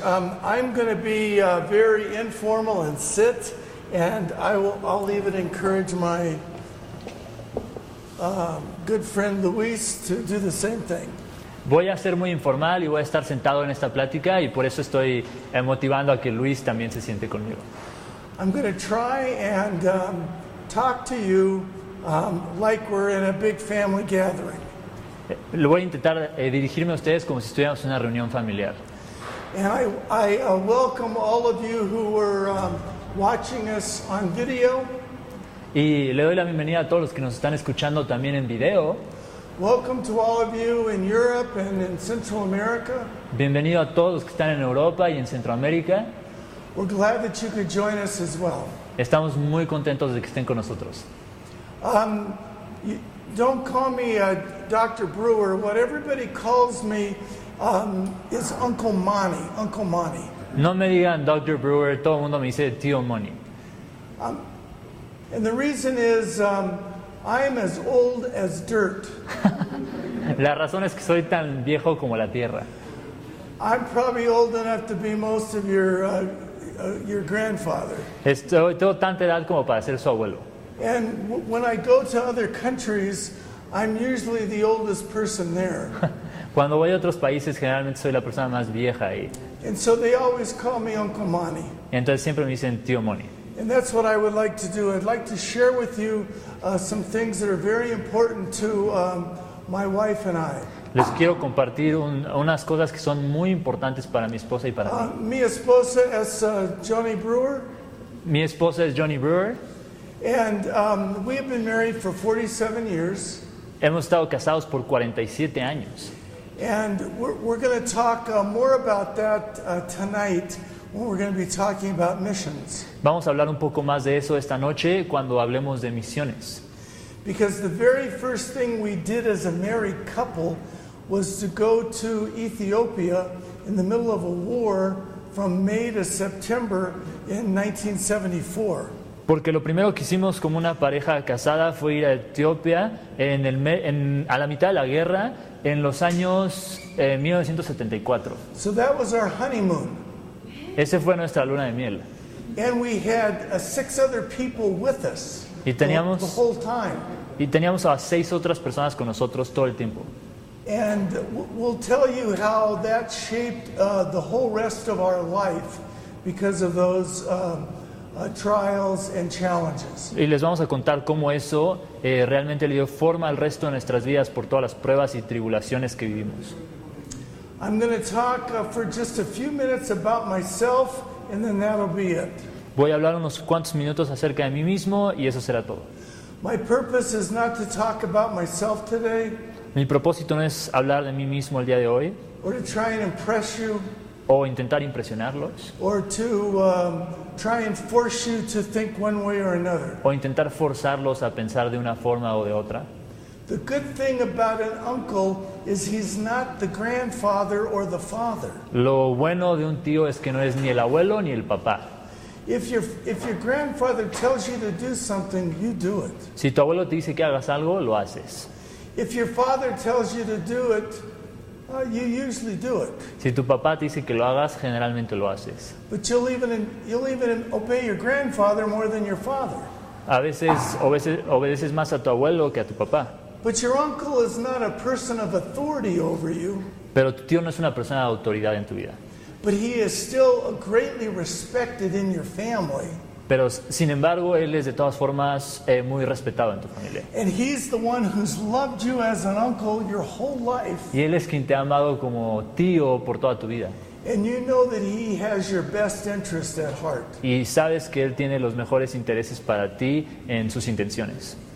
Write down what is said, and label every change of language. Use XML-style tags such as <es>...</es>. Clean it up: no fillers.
<en>I'm going to be very informal and sit, and I'll leave it encourage my good friend Luis to do the same thing.</en> <es>Voy a ser muy informal y voy a estar sentado en esta plática, y por eso estoy motivando a que Luis también se siente conmigo.</es> <en>I'm going to try and talk to you like we're in a big family gathering.</en> <es>Lo voy a intentar dirigirme a ustedes como si estuviéramos en una reunión familiar.</es> <en>And I welcome all of you who were watching us on video.</en> <es>Y le doy la bienvenida a todos los que nos están escuchando también en video.</es> <en>Welcome to all of you in Europe and in Central America.</en> <es>Bienvenido a todos los que están en Europa y en Centroamérica.</es> <en>We're glad that you could join us as well.</en> <es>Estamos muy contentos de que estén con nosotros.</es> <en>Don't call me Dr. Brewer. What everybody calls me is Uncle Monty. Uncle Monty.</en> <es>No me digan Dr. Brewer. Todo el mundo me dice Tío Monty.</es> <en>And the reason is I'm as old as dirt.</en> <es>La razón es que soy tan viejo como la tierra.</es> <en>I'm probably old enough to be most of your grandfather.</en> <es>Tengo tanta edad como para ser su abuelo.</es> <en>And when I go to other countries, I'm usually the oldest person there.</en> <es>Cuando voy a otros países, generalmente soy la persona más vieja ahí.</es> <en>And so they always call me Uncle Monty.</en> <es>Entonces siempre me dicen Tío Monty.</es> <en>And that's what I would like to do. I'd like to share with you some things that are very important to my wife and I.</en> <es>Les quiero compartir unas cosas que son muy importantes para mi esposa y para mí. Mi esposa es Johnny Brewer. Mi esposa es Johnny Brewer.</es> <en>And we have been married for 47 years.</en> <es>Hemos estado casados por 47 años.</es> <en>And we're going to talk more about that tonight when we're going to be talking about missions.</en> <es>Vamos a hablar un poco más de eso esta noche cuando hablemos de misiones.</es> <en>Because the very first thing we did as a married couple was to go to Ethiopia in the middle of a war from May to September in 1974.</en> <es>Porque lo primero que hicimos como una pareja casada fue ir a Etiopía a la mitad de la guerra en los años 1974.</es> <en>So that was our honeymoon.</en> <es>Ese fue nuestra luna de miel.</es> <en>And we had six other people with us.</en> <es>Y teníamos</es> <en>the whole time.</en> <es>Y teníamos a seis otras personas con nosotros todo el tiempo.</es> <en>And we'll tell you how that shaped the whole rest of our life because of those trials and challenges.</en> <es>Y les vamos a contar cómo eso realmente le dio forma al resto de nuestras vidas por todas las pruebas y tribulaciones que vivimos.</es> <en>I'm going to talk for just a few minutes about myself and then that'll be it.</en> <es>Voy a hablar unos cuantos minutos acerca de mí mismo y eso será todo.</es> <en>My purpose is not to talk about myself today.</en> <es>Mi propósito no es hablar de mí mismo el día de hoy.</es> <en>Or to try and impress you.</en> <es>O intentar impresionarlos.</es> <en>Or to try and force you to think one way or another.</en> <es>O intentar forzarlos a pensar de una forma o de otra.</es> <en>The good thing about an uncle is he's not the grandfather or the father.</en> <es>Lo bueno de un tío es que no es ni el abuelo ni el papá.</es> <en>If your grandfather tells you to do something, you do it.</en> <es>Si tu abuelo te dice que hagas algo, lo haces.</es> <en>If your father tells you to do it, you usually do it.</en> <es>Si tu papá te dice que lo hagas, generalmente lo haces.</es> <en>But you'll even obey your grandfather more than your father.</en> <es>A veces obedeces más a tu abuelo que a tu papá.</es> <en>But your uncle is not a person of authority over you.</en> <es>Pero tu tío no es una persona de autoridad en tu vida.</es> <en>But he is still greatly respected in your family.</en> <es>Pero sin embargo, él es de todas formas muy respetado en tu familia.</es> <en>And he's the one who's loved you as an uncle your whole life.</en> <es>Y él es quien te ha amado como tío por toda tu vida.</es> <en>And you know that he has your best interest at heart.</en> <es>Y sabes que él tiene los mejores intereses para ti en sus intenciones.</es>